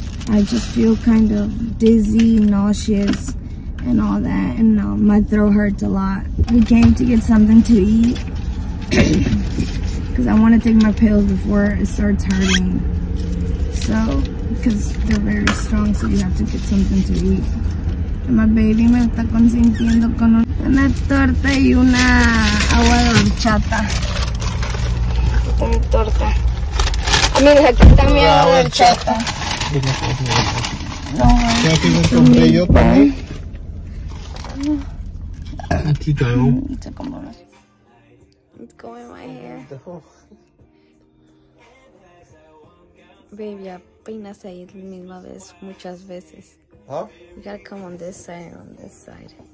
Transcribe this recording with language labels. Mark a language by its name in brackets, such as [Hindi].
[English] I just feel kind of dizzy, nauseous, and all that. And my throat hurts a lot. We came to get something to eat because I want to take my pills before it starts hurting. So, because they're very strong, so you have to get something to eat. My baby [Spanish] me está consintiendo con una torta y una agua de horchata. Una torta. A mí me quita mi agua de horchata. ¿Ya tienes un brillo para mí? Aquí está. [English] It's going in my hair. [Spanish] Baby, ya peinas ahí la misma vez, muchas veces. Huh? [English] You gotta come on this side and on this side.